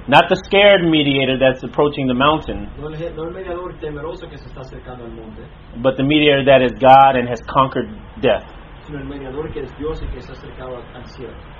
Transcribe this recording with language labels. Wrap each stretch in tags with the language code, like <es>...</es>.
<en>Not the scared mediator that's approaching the mountain.</en> <es>No el mediador temeroso que se está acercando al monte.</es> <en>But the mediator that is God and has conquered death.</en> <es>Sino el mediador que es Dios y que se ha acercado al cielo.</es>